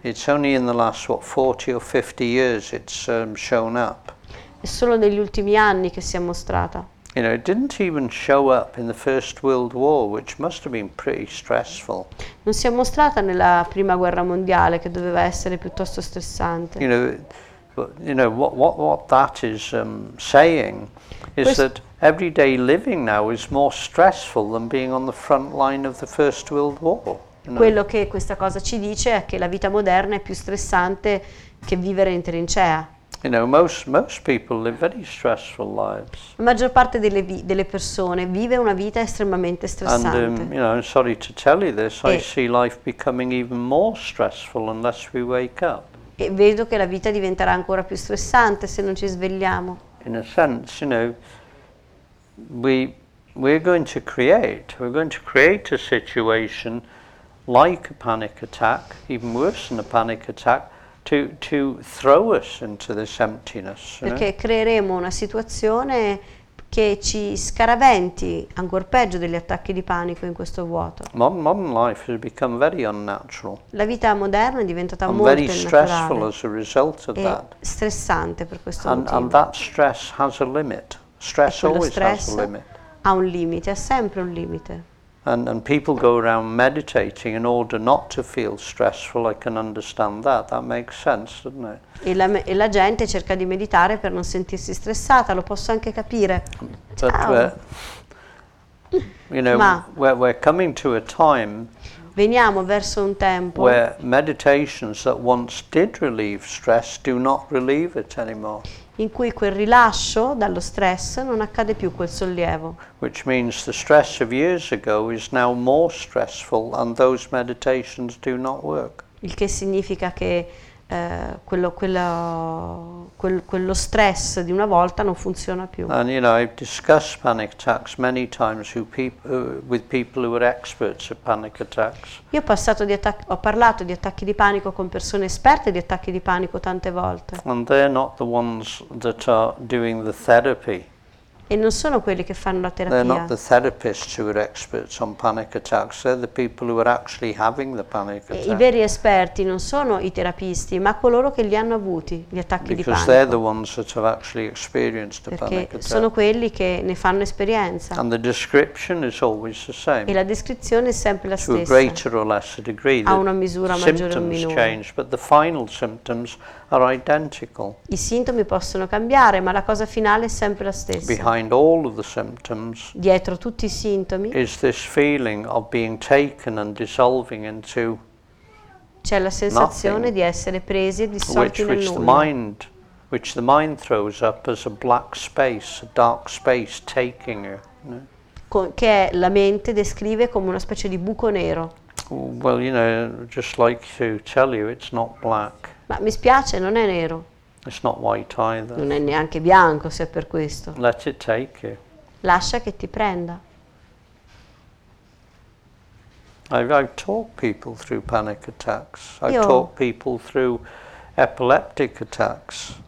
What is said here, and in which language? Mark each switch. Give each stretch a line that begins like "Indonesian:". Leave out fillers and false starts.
English: It's only in the last what 40 or 50 years it's shown up.
Italian: È solo negli ultimi anni che si è mostrata.
English: You know, it didn't even show up in the First World War, which must have been pretty stressful.
Italian: Non si è mostrata nella Prima Guerra Mondiale, che doveva essere piuttosto stressante.
English: You know, what that is saying is that everyday living now is more stressful than being on the front line of the First World War. You know?
Italian: Quello che questa cosa ci dice è che la vita moderna è più stressante che vivere in trincea.
English: You know, most people live very stressful lives.
Italian: La maggior parte delle persone vive una vita estremamente stressante.
English: And you know, I'm sorry to tell you this, I see life becoming even more stressful unless we wake up.
Italian: E vedo che la vita diventerà ancora più stressante se non ci svegliamo.
English: In a sense, you know, we're going to create a situation like a panic attack, even worse than a panic attack. To throw us into this emptiness.
Italian: Perché creeremo una situazione che ci scaraventi ancor peggio degli attacchi di panico in questo vuoto.
English: Modern life has become very unnatural.
Italian: La vita moderna è diventata molto
English: very stressful as a result of that.
Italian: Stressante per questo motivo.
English: And that stress has a limit. Stress always stress has a limit.
Italian: Ha un limite, ha sempre un limite.
English: And people go around meditating in order not to feel stressful. I can understand that. That makes sense, doesn't it?
Italian: E la gente cerca di meditare per non sentirsi stressata. Lo posso anche capire.
English: But we're coming to a time.
Italian: Veniamo verso un tempo.
English: Where meditations that once did relieve stress do not relieve it anymore.
Italian: In cui quel rilascio dallo stress non accade più, quel sollievo.
English: Which means the stress of years ago is now more stressful and those meditations do not work.
Italian: Il che significa che quello stress di una volta non funziona più.
English: And you know, I've discussed panic attacks many times with people who are experts at panic attacks.
Italian: Io ho parlato di attacchi di panico con persone esperte di attacchi di panico tante volte.
English: And they're not the ones that are doing the therapy.
Italian: E non sono quelli che fanno la terapia.
English: They're not the therapists who are experts on panic attacks. They're the people who are actually having the panic attack.
Italian: I veri esperti non sono i terapisti, ma coloro che li hanno avuti, gli attacchi
English: Because
Italian: di panico.
English: Because they're the ones that have actually experienced the
Italian: Perché
English: panic attack.
Italian: Perché sono quelli che ne fanno esperienza.
English: And the description is always the same.
Italian: E la descrizione è sempre la
English: to
Italian: stessa.
English: To a greater or lesser degree.
Italian: A una misura maggiore o minore.
English: Symptoms change, but the final symptoms are identical.
Italian: I sintomi possono cambiare, ma la cosa finale è sempre la stessa.
English: Behind all of the symptoms,
Italian: dietro tutti i sintomi,
English: is this feeling of being taken and dissolving into
Italian: c'è la sensazione
English: nothing,
Italian: di essere presi e dissolti
English: which,
Italian: nel nulla.
English: Which the mind throws up as a black space, a dark space taking you.
Italian: Che la mente descrive come una specie di buco nero.
English: Well, you know, just like to tell you, it's not black.
Italian: Ma mi spiace, non è nero.
English: It's not white either.
Italian: Non è neanche bianco, se è per questo.
English: Let it take you.
Italian: Lascia che ti prenda.
English: I've talked people through panic attacks. I've talked people through epileptic attacks.